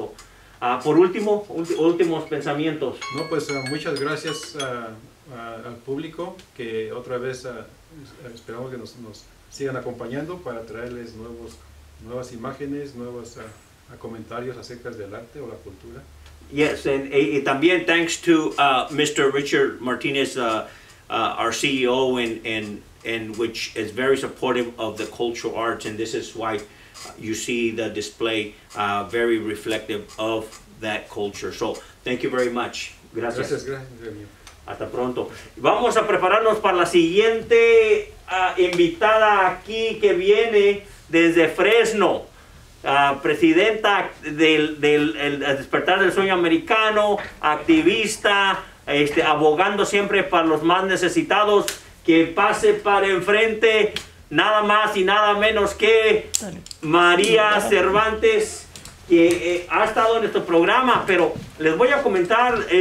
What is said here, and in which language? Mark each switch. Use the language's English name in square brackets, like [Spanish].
[Spanish] So, por último, últimos pensamientos. No, pues muchas gracias al público, que otra vez esperamos que nos sigan acompañando para traerles nuevas imágenes, nuevos comentarios acerca del arte o la cultura. [English] Yes, and también thanks to Mr. Richard Martinez, our CEO, and which is very supportive of the cultural arts, and this is why you see the display very reflective of that culture. So, thank you very much. [Spanish] Gracias. Gracias. Hasta pronto. Vamos a prepararnos para la siguiente invitada aquí que viene desde Fresno. Presidenta del Despertar del Sueño Americano, activista, abogando siempre para los más necesitados, que pase para enfrente, nada más y nada menos que María Cervantes, que ha estado en nuestro programa, pero les voy a comentar,